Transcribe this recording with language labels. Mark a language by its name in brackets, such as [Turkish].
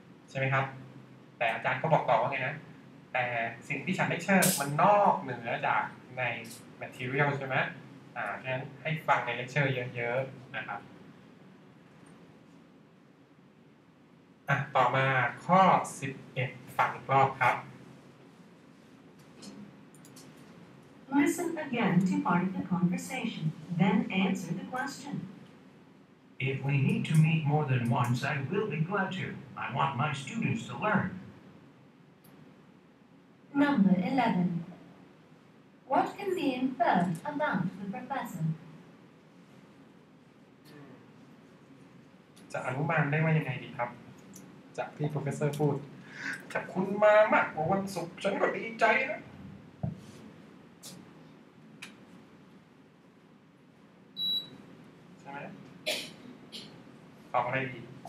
[Thai] ใช่ไหมครับแต่อาจารย์ก็บอกต่อว่าไงนะแต่สิ่งที่ฉันเลคเชอร์มันนอกเหนือจากใน material ใช่ไหมฉะนั้นให้ฟังในเลคเชอร์เยอะๆนะครับต่อมาข้อ11ฟังอีกรอบครับ [English] Listen again to part of the conversation, then answer the question. If we need to meet more than once, I will be glad to. I want my students to learn. Number 11. What can be inferred about the professor? [Thai] จะอนุมานได้ว่ายังไงดีครับจ ากที่โปรเฟสเซอร์พูด ถ้าคุณมามากกว่าวันศุกร์ฉันก็ดีใจนะตอบอะไรดี